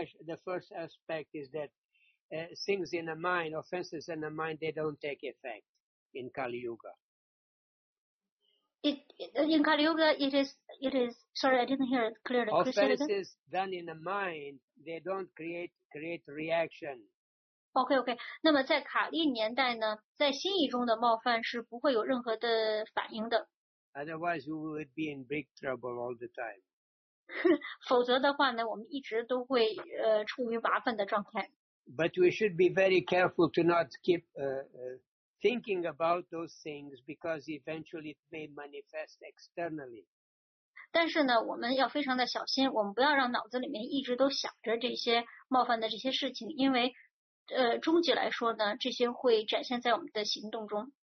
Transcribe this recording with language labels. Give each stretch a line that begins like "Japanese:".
English: The first aspect is that things in the mind, offenses in the mind, they don't take effect in Kali Yuga. In Kali Yuga, sorry, I didn't hear it clearly. Offenses done in the mind, they don't create reaction. Okay.
Chinese: 那么在卡利年代呢，在心意中的冒犯是不会有任何的反应的。
English: Otherwise, we would be in big trouble all the time.
Chinese: 否则的话呢，我们一直都会处于麻烦的状态。
English: But we should be very careful to not keep, thinking about those things because eventually it may manifest externally.
Chinese: 但是呢，我们要非常的小心，我们不要让脑子里面一直都想着这些冒犯的这些事情，因为，终极来说呢，这些会展现在我们的行动中。